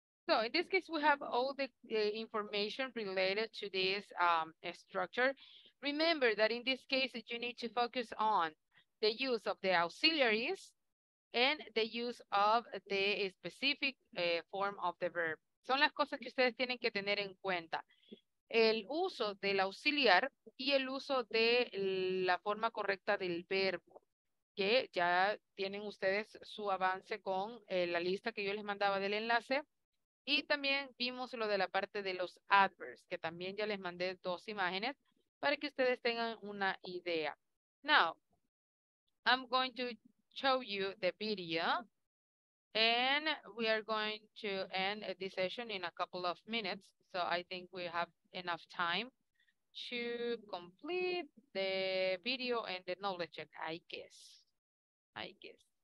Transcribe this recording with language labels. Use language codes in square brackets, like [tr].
[en] So in this case, we have all the information related to this structure. Remember that in this case, you need to focus on the use of the auxiliaries and the use of the specific form of the verb. [es] Son las cosas que ustedes tienen que tener en cuenta. El uso del auxiliar y el uso de la forma correcta del verbo, que ya tienen ustedes su avance con la lista que yo les mandaba del enlace. Y también vimos lo de la parte de los adverbs, que también ya les mandé dos imágenes para que ustedes tengan una idea. [en] Now, I'm going to show you the video and we are going to end this session in a couple of minutes. So I think we have enough time to complete the video and the knowledge check, I guess.